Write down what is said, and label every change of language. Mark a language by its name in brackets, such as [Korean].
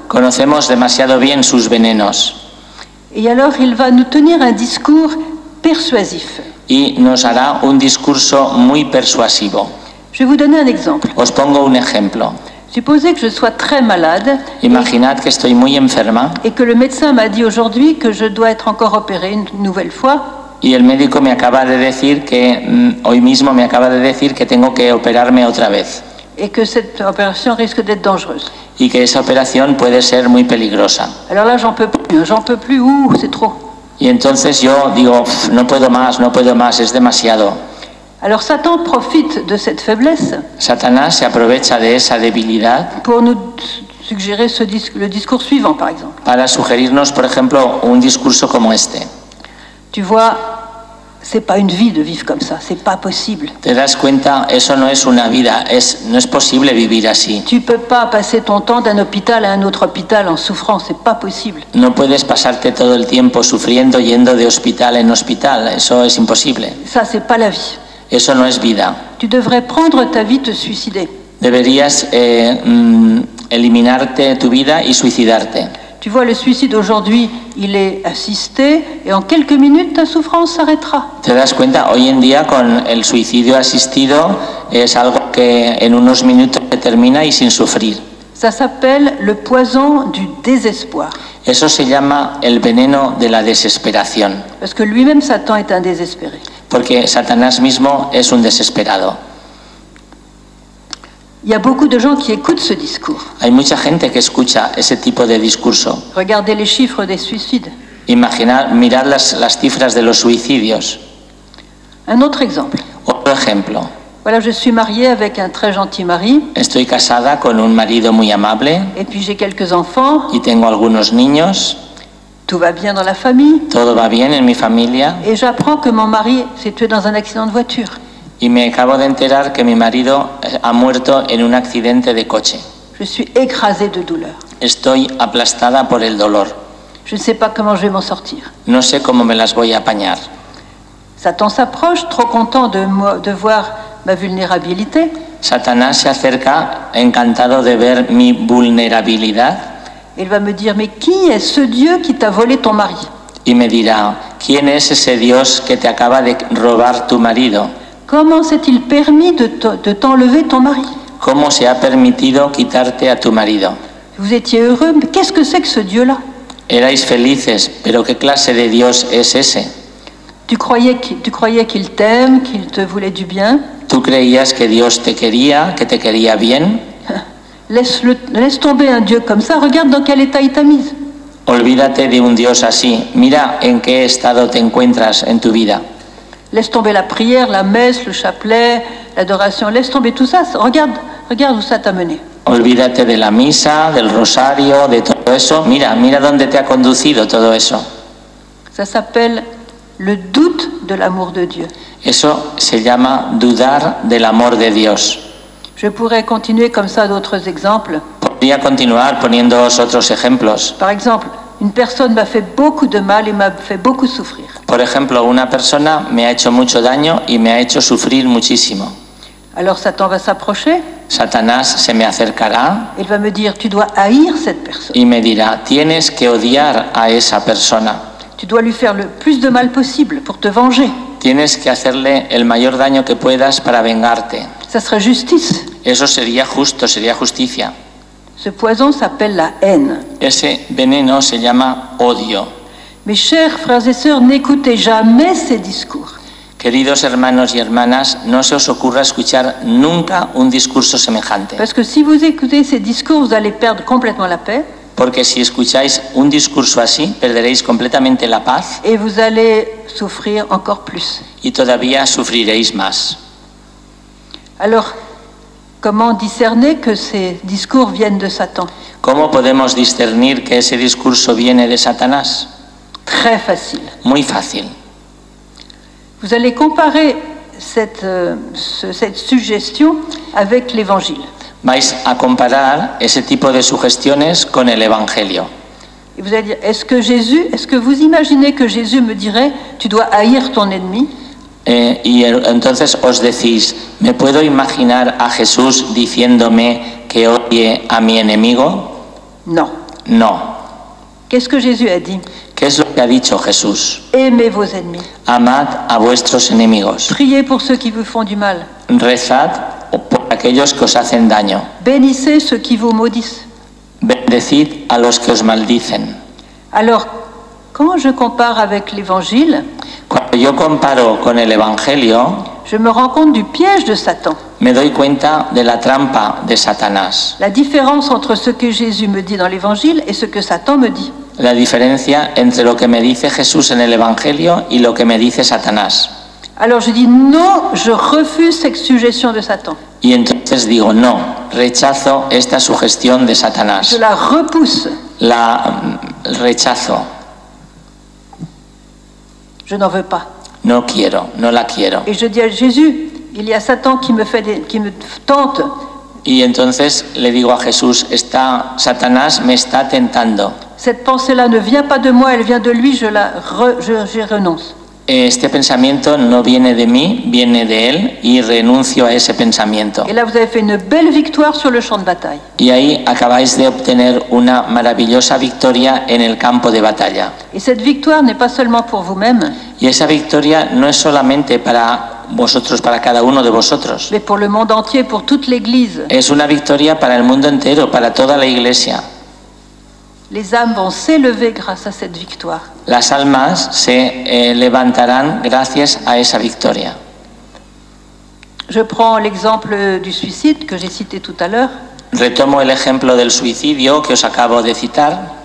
[Spanish] Conocemos demasiado bien sus venenos. [French] Et alors il va nous tenir un discours persuasif. [Spanish] Y nos hará un discurso muy persuasivo. [French] Je vais vous donner un exemple. [Spanish] Os pongo un ejemplo. [French] Supposez que je sois très malade. [Spanish] Imaginad que estoy muy enferma. [French] Et que le médecin m'a dit aujourd'hui que je dois être encore opérée une nouvelle fois. [Spanish] Y el médico me acaba de decir que hoy mismo me acaba de decir que tengo que operarme otra vez. [French] Et que cette opération risque d'être dangereuse. [Spanish] Y que esa operación puede ser muy peligrosa. [French] Alors là, j'en peux plus, c'est trop. [Spanish] Y entonces yo digo, no puedo más, es demasiado. [French] Alors Satan profite de cette faiblesse. [Spanish] Satanás se aprovecha de esa debilidad. [French] Pour nous suggérer le discours suivant, par exemple. [Spanish] Para sugerirnos, por ejemplo, un discurso como este. [French] Tu vois, c'est pas une vie de vivre comme ça, c'est pas possible. [Spanish] Te das cuenta, eso no es una vida, no es posible vivir así. [French] Tu peux pas passer ton temps d'un hôpital à un autre hôpital en souffrant, c'est pas possible. [Spanish] No puedes pasarte todo el tiempo sufriendo yendo de hospital en hospital, eso es imposible. [French] Ça c'est pas la vie. [Spanish] Eso no es vida. [French] Tu devrais prendre ta vie te suicider. [Spanish] Deberías eliminarte tu vida y suicidarte. [French] Tu vois, le suicide aujourd'hui, il est assisté et en quelques minutes ta souffrance s'arrêtera. [Spanish] Te das cuenta, hoy en día con el suicidio asistido es algo que en unos minutos se termina y sin sufrir. [French] Ça s'appelle le poison du désespoir. [Spanish] Eso se llama el veneno de la desesperación. [French] Parce que lui-même Satan est un désespéré. [Spanish] Porque Satanás mismo es un desesperado. [French] Il y a beaucoup de gens qui écoutent ce discours. [Spanish] Hay mucha gente que escucha ese tipo de discurso. [French] Regardez les chiffres des suicides. [Spanish] Mirad las cifras de los suicidios. [French] Un autre exemple. [Spanish] Otro ejemplo. [French] Voilà, je suis mariée avec un très gentil mari. [Spanish] Estoy casada con un marido muy amable. [French] Et puis j'ai quelques enfants. [Spanish] Y tengo algunos niños. [French] Tout va bien dans la famille. [Spanish] Todo va bien en mi familia. [French] Et j'apprends que mon mari s'est tué dans un accident de voiture. [Spanish] Y me acabo de enterar que mi marido ha muerto en un accidente de coche. [French] Je suis écrasée de douleur. [Spanish] Estoy aplastada por el dolor. [French] Je ne sais pas comment je vais m'en sortir. [Spanish] No sé cómo me las voy a apañar. [French] Satan s'approche, trop content de voir ma vulnérabilité. [Spanish] Satanás se acerca, encantado de ver mi vulnerabilidad. [French] Il va me dire, mais qui est ce Dieu qui t'a volé ton mari? [Spanish] Y me dirá, ¿quién es ese Dios que te acaba de robar tu marido? [French] Comment s'est-il permis de t'enlever ton mari? [Spanish] ¿Cómo se ha permitido quitarte a tu marido? [French] Vous étiez heureux, mais qu'est-ce que c'est que ce Dieu-là? [Spanish] Erais felices, pero qué clase de Dios es ese? [French] Tu croyais qu'il t'aime, qu'il te voulait du bien? [Spanish] ¿Tú creías que Dios te quería, que te quería bien? [French] Laisse tomber un Dieu comme ça, regarde dans quel état il t'a mise. [Spanish] Olvídate de un Dios así, mira en qué estado te encuentras en tu vida. [French] Laisse tomber la prière, la messe, le chapelet, l'adoration. Laisse tomber tout ça. Regarde où ça t'a mené. [Spanish] Olvídate de la misa, del rosario, de todo eso. Mira dónde te ha conducido todo eso. [French] Ça s'appelle le doute de l'amour de Dieu. [Spanish] Eso se llama dudar del amor de Dios. [French] Je pourrais continuer comme ça d'autres exemples. [Spanish] Podría continuar poniendo otros ejemplos. [French] Par exemple. Une personne m'a fait beaucoup de mal et m'a fait beaucoup souffrir. [Spanish] Por ejemplo, una persona me ha hecho mucho daño y me ha hecho sufrir muchísimo. [French] Alors Satan va s'approcher. [Spanish] Satanás se me acercará. [French] Il va me dire, tu dois haïr cette personne. [Spanish] Y me dirá, tienes que odiar a esa persona. [French] Tu dois lui faire le plus de mal possible pour te venger. [Spanish] Tienes que hacerle el mayor daño que puedas para vengarte. [French] Ça serait justice. [Spanish] Eso sería justo, sería justicia. [French] Ce poison s'appelle la haine. [Spanish] Ese veneno se llama odio. [French] Mes chers frères et sœurs, n'écoutez jamais ces discours. [Spanish] Queridos hermanos y hermanas, no se os ocurra escuchar nunca un discurso semejante. [French] Parce que si vous écoutez ces discours, vous allez perdre complètement la paix. [Spanish] Porque si escucháis un discurso así, perderéis completamente la paz. [French] Et vous allez souffrir encore plus. [Spanish] Y todavía sufriréis más. [French] Alors, comment discerner que ces discours viennent de Satan? [Spanish] ¿Cómo podemos discernir que ese discurso viene de Satanás? [French] Très facile. [Spanish] Muy fácil. [French] Vous allez comparer cette suggestion avec l'Évangile. [Spanish] Vais a comparar ese tipo de sugestiones con el Evangelio. [French] Et vous allez dire, est-ce que vous imaginez que Jésus me dirait, tu dois haïr ton ennemi? [Spanish] Y entonces os decís, ¿me puedo imaginar a Jesús diciéndome que odie a mi enemigo? No. No. [French] Qu'est-ce que Jésus a dit? [Spanish] ¿Qué es lo que ha dicho Jesús? [French] Aimez vos ennemis. [Spanish] Amad a vuestros enemigos. [French] Priez pour ceux qui vous font du mal. [Spanish] Rezad por aquellos que os hacen daño. [French] Bénissez ceux qui vous maudissent. [Spanish] Bendecid a los que os maldicen. [French] Alors, quand je compare avec l'Évangile, [Spanish] Cuando yo comparo con el Evangelio, [French] je me rends compte du piège de Satan. [Spanish] Me doy cuenta de la trampa de Satanás. [French] La différence entre ce que Jésus me dit dans l'Évangile et ce que Satan me dit. [Spanish] La diferencia entre lo que me dice Jesús en el Evangelio y lo que me dice Satanás. [French] Alors je dis non, je refuse cette suggestion de Satan. [Spanish] Y entonces digo no, rechazo esta sugestión de Satanás. [French] Je la repousse. [Spanish] La rechazo. [French] Je n'en veux pas. [Spanish] No quiero, no la quiero. [French] Et je dis à Jésus, il y a Satan qui me tente. [Spanish] Y entonces le digo a Jesús, está Satanás me está tentando. [French] Cette pensée-là ne vient pas de moi, elle vient de lui, je renonce. [Spanish] Este pensamiento no viene de mí, viene de él y renuncio a ese pensamiento. [French] Et là vous avez fait une belle victoire sur le champ de bataille. [Spanish] Y ahí acabáis de obtener una maravillosa victoria en el campo de batalla. [French] Et cette victoire n'est pas seulement pour vous-même. [Spanish] Y esa victoria no es solamente para vosotros, para cada uno de vosotros. [French] Mais pour le monde entier, pour toute l'église. [Spanish] Es una victoria para el mundo entero, para toda la iglesia. [French] Les âmes vont s'élever grâce à cette victoire. [Spanish] Las almas se levantarán gracias a esa victoria. [French] Je prends l'exemple du suicide que j'ai cité tout à l'heure. [Spanish] Retomo el ejemplo del suicidio que os acabo de citar.